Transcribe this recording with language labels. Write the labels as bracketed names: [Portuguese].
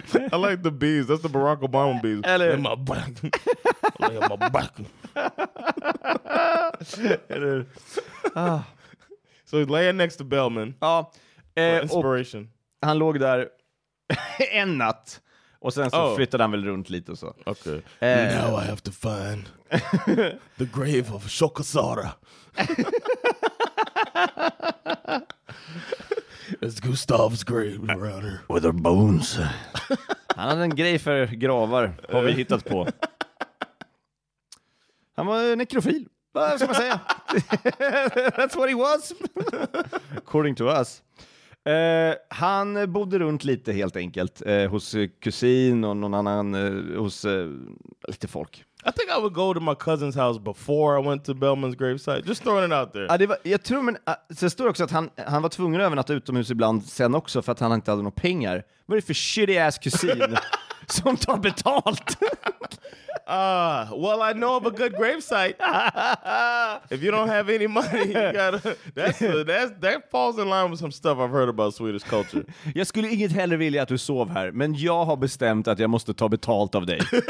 [English] I like the bees. That's the Barack Obama bees. Lay on my back. Lay on my back. So he's laying next to Billman. Inspiration. [Swedish] Han låg där en natt. Och sen så flyttade han väl runt lite och så. [English] Okay. Now I have to find the grave of Shokasara. It's Gustav's grave around here. With her bones. [Swedish] Han hade en grej för gravar, har vi hittat på. Han var nekrofil. Vad ska man säga? [English] That's what he was. [Swedish] According to us. Han bodde runt lite helt enkelt hos kusin och någon annan hos lite folk. [English] I think I would go to my cousin's house before I went to Bellman's gravesite. Just throwing it out there. [Swedish] Sen står det också att han var tvungen att övernatta utomhus ibland sen också för att han inte hade några pengar. Vad är det för shitty ass kusin som tar betalt? [English] Well, I know of a good gravesite. If you don't have any money, you gotta, that falls in line with some stuff I've heard about Swedish culture. [Swedish] Jag skulle inget heller vilja att du sov här, men jag har bestämt att jag måste ta betalt av dig.